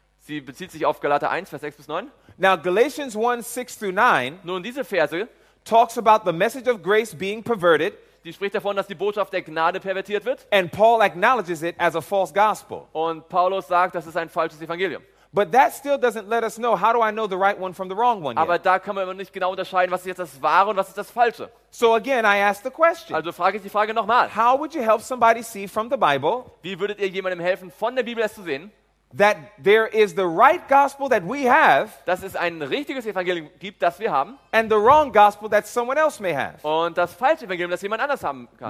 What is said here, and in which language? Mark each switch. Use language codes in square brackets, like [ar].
[de] Sie bezieht sich auf Galater 1, Vers 6 bis 9. [en] Now Galatians 1, 6 through 9. [de] Nun diese Verse [en] talks about the message of grace being perverted. [de] Die spricht davon, dass die Botschaft der Gnade pervertiert wird. [en] And Paul acknowledges it as a false gospel. [de] Und Paulus sagt, das ist ein falsches Evangelium. [en] But that still doesn't let us know how do I know the right one from the wrong one. [de] Aber da kann man nicht genau unterscheiden, was ist jetzt das Wahre und was ist das Falsche. [en] So again, I ask the question. [de] Also frage ich die Frage nochmal. [en] How would you help somebody see from the Bible? [de] Wie würdet ihr jemandem helfen, von der Bibel es zu sehen? [en] That there is the right gospel that we have. [de] Dass es ein richtiges Evangelium gibt, das wir haben. [en] And the wrong gospel that someone else may have. [de] Und das falsche Evangelium, das jemand anders haben kann.